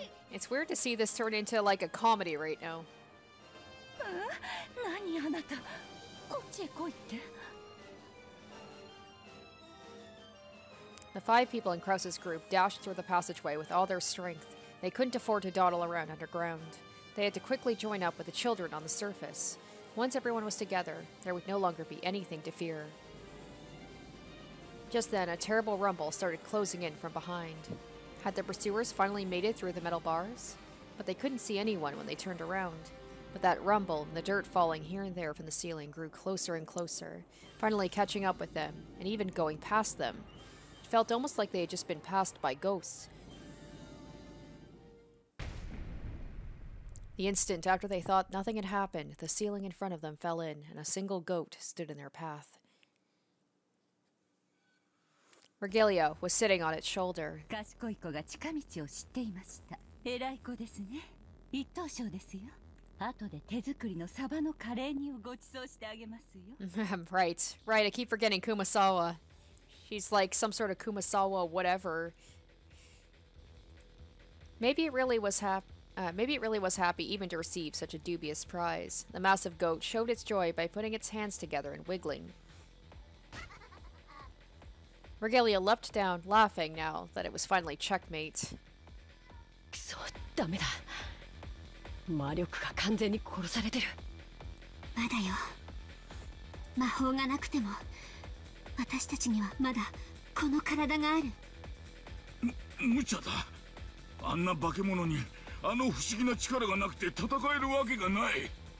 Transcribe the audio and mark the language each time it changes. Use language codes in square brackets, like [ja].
[en] It's weird to see this turn into like a comedy right now. [ja] 何あなた、こっちへ来いって。 [en] The five people in Krause's group dashed through the passageway with all their strength. They couldn't afford to dawdle around underground. They had to quickly join up with the children on the surface. Once everyone was together, there would no longer be anything to fear. Just then, a terrible rumble started closing in from behind. Had the pursuers finally made it through the metal bars? But they couldn't see anyone when they turned around. But that rumble and the dirt falling here and there from the ceiling grew closer and closer, finally catching up with them, and even going past them. It felt almost like they had just been passed by ghosts. The instant after they thought nothing had happened, the ceiling in front of them fell in, and a single goat stood in their path. Virgilia was sitting on its shoulder. [ja] 賢い子が近道を知っていました。偉い子ですね。一等賞ですよ。後で手作りのサバのカレー煮をご馳走してあげますよ。 [en] Right, right. I keep forgetting Kumasawa. She's like some sort of Kumasawa whatever. Maybe it really was happy even to receive such a dubious prize. The massive goat showed its joy by putting its hands together and wiggling. Regalia leapt down, laughing now that it was finally checkmate. [ja] くそ、ダメだ。魔力が完全に殺されてる。まだよ。魔法がなくても私たちにはまだこの体がある。無茶だ。あんな化け物にあの不思議な力がなくて戦えるわけがない。